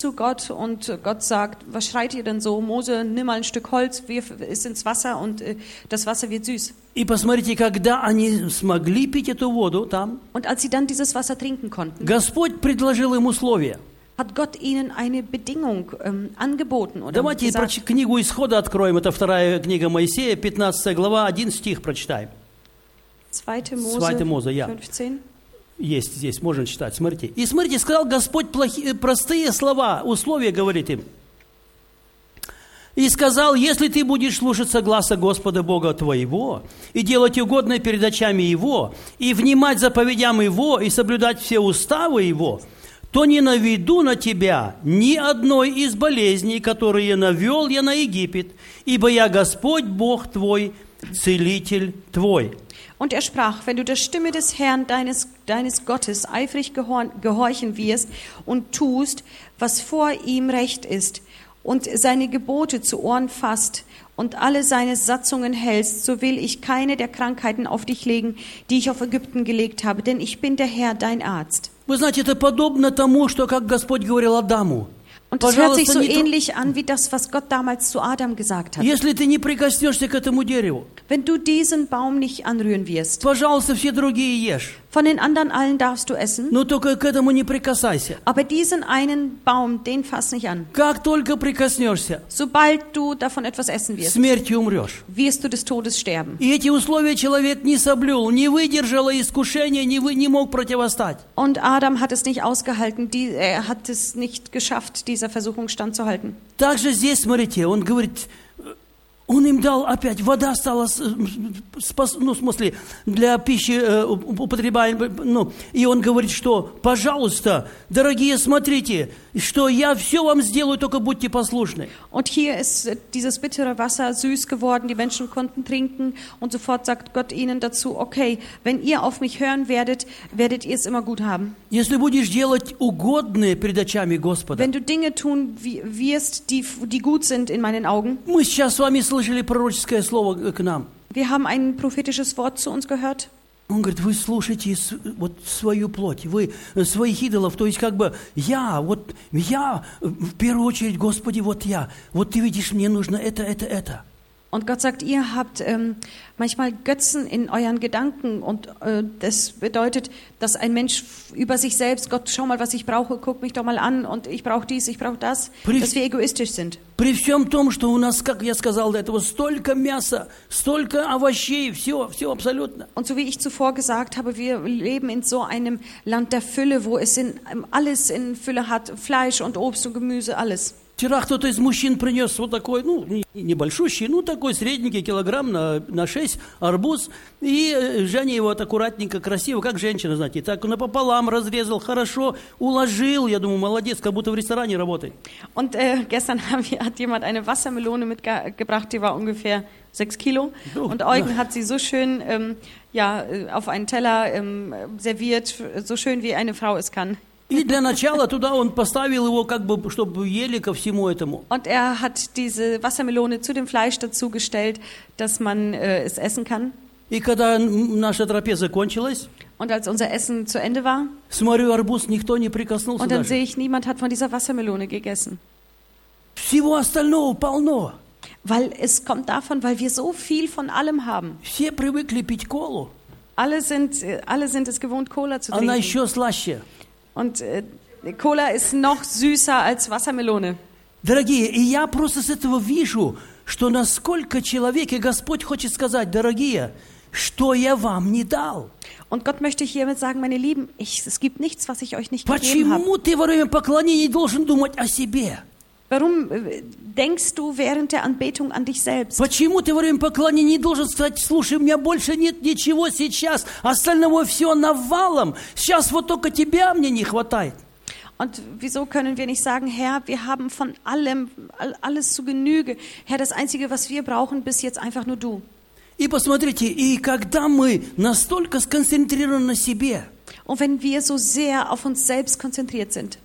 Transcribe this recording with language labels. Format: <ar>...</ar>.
<de>zu Gott und Gott sagt, was schreit ihr denn so? Mose, nimm mal ein Stück Holz, wirf es ins Wasser und das Wasser wird süß.</de> <ru>И посмотрите, когда они смогли пить эту воду там,</ru> <de>und als sie dann dieses Wasser trinken konnten,</de> <ru>Господь предложил им условия.</ru> <de>Hat Gott ihnen eine Bedingung angeboten oder</de> <ru>Давайте</ru> <de>gesagt,</de> <ru>книгу Исхода откроем, это вторая книга Моисея, 15 глава, 1 стих прочитаем.</ru> <de>2 Mose 15. Ja.</de> <ru>Есть здесь, можно читать, смотрите. И смотрите, сказал Господь простые слова, условия, говорит им. И сказал, если ты будешь слушаться гласа Господа Бога твоего и делать угодное перед очами Его, и внимать заповедям Его, и соблюдать все уставы Его, то не наведу на тебя ни одной из болезней, которые навел я на Египет, ибо я Господь Бог твой, Целитель твой».</ru> <de>Und er sprach, wenn du der Stimme des Herrn, deines Gottes, eifrig gehorchen wirst und tust, was vor ihm recht ist, und seine Gebote zu Ohren fasst und alle seine Satzungen hältst, so will ich keine der Krankheiten auf dich legen, die ich auf Ägypten gelegt habe, denn ich bin der Herr, dein Arzt.</de> <ru>Вы знаете, это подобно тому, что как Господь говорил Адаму.</ru> <de>Und das hört sich so ähnlich an, wie das, was Gott damals zu Adam gesagt hat.</de> <ru>Если ты не прикоснешься к этому дереву,</ru> <de>wenn du diesen Baum nicht anrühren wirst,</de> <ru>пожалуйста, все другие ешь.</ru> <de>Von den anderen allen darfst du essen,</de> <ru>но только к этому не прикасайся.</ru> <de>Aber diesen einen Baum, den fass nicht an.</de> <ru>Как только прикоснешься,</ru> <de>sobald du davon etwas essen wirst,</de> <ru>смертью умрешь.</ru> <de>Wirst du des Todes sterben.</de> <ru>И эти условия человек не соблюл, не выдержал искушения, не мог противостать.</ru> <de>Und Adam hat es nicht ausgehalten, er hat es nicht geschafft, dieser Versuchung standzuhalten.</de> <ru>Также здесь, смотрите, он говорит, он им дал опять, вода стала, ну, в смысле, для пищи употребаемой, ну, и он говорит, что, пожалуйста, дорогие, смотрите, что я все вам сделаю, только будьте послушны.</ru> <de>Und hier ist dieses bittere Wasser süß geworden, die Menschen konnten trinken, und sofort sagt Gott ihnen dazu, okay, wenn ihr auf mich hören werdet, werdet ihr es immer gut haben.</de> <ru>Если будешь делать угодное перед очами Господа,</ru> <de>wenn du Dinge tun wirst, die gut sind in meinen Augen,</de> <ru>мы сейчас с вами слышали пророческое слово к нам.</ru> <de>Wir haben ein prophetisches Wort zu uns gehört.</de> <ru>Он говорит, вы слушаете вот свою плоть, вы своих идолов, то есть как бы я в первую очередь, Господи, вот я, вот ты видишь, мне нужно это.</ru> <de>Und Gott sagt, ihr habt manchmal Götzen in euren Gedanken und das bedeutet, dass ein Mensch über sich selbst, Gott, schau mal, was ich brauche, guck mich doch mal an und ich brauche dies, ich brauche das, dass wir egoistisch sind.</de> <ru>При всем том, что у нас, как я сказал до этого, столько мяса, столько овощей, все абсолютно.</ru> <de>Und so wie ich zuvor gesagt habe, wir leben in so einem Land der Fülle, wo es alles in Fülle hat, Fleisch und Obst und Gemüse, alles.</de> <ru>Вчера кто-то из мужчин принес вот такой, ну, небольшущий, ну, такой средненький килограмм на 6 арбуз. И Женя его вот аккуратненько, красиво, как женщина, знаете, так напополам разрезал, хорошо уложил. Я думаю, молодец, как будто в ресторане работает.</ru> <de>Und gestern hat jemand eine Wassermelone mitgebracht, die war ungefähr 6 Kilo. Und Eugen hat sie so schön auf einen Teller serviert, so schön wie eine Frau es kann.</de> <ru>И для начала туда он поставил его, как бы, чтобы ели ко всему этому.</ru> <de>Und er hat diese Wassermelone zu dem Fleisch dazugestellt, dass man es essen kann.</de> <ru>И когда наша трапеза кончилась,</ru> <de>und als unser Essen zu Ende war,</de> <ru>смотрю, арбуз никто не прикоснулся</ru> <de>und dann</de> <ru>даже.</ru> <de>Sehe ich, niemand hat von dieser Wassermelone gegessen.</de> <ru>Всего остального полно.</ru> <de>Weil es kommt davon, weil wir so viel von allem haben.</de> <ru>Все привыкли пить колу.</ru> <de>Alle sind es gewohnt, Cola zu</de> <ru>Она</ru> <de>trinken.</de> <ru>Она еще слаще.</ru> <de>Und Cola ist noch süßer als Wassermelone.</de> <ru>Дорогие, и я просто с этого вижу, что насколько человек, и Господь хочет сказать, дорогие, что я вам не дал.</ru> <de>Und Gott möchte hiermit sagen, meine Lieben, es gibt nichts, was ich euch nicht</de> <ru>Почему</ru> <de>gegeben habe.</de> <ru>Почему ты во время поклонения должен думать о себе?</ru> <de>Warum denkst du während der Anbetung an dich selbst?</de> <ru>Почему ты во время поклонения не должен сказать, слушай, у меня больше нет ничего сейчас, остального все навалом, сейчас вот только тебя мне не хватает?</ru> <de>Und wieso können wir nicht sagen, Herr, wir haben von allem, alles zu Genüge, Herr, das Einzige, was wir brauchen, bis jetzt einfach nur du.</de> <ru>И посмотрите, и когда мы настолько сконцентрированы на себе,</ru> <de>und wenn wir so sehr auf uns selbst konzentriert sind,</de>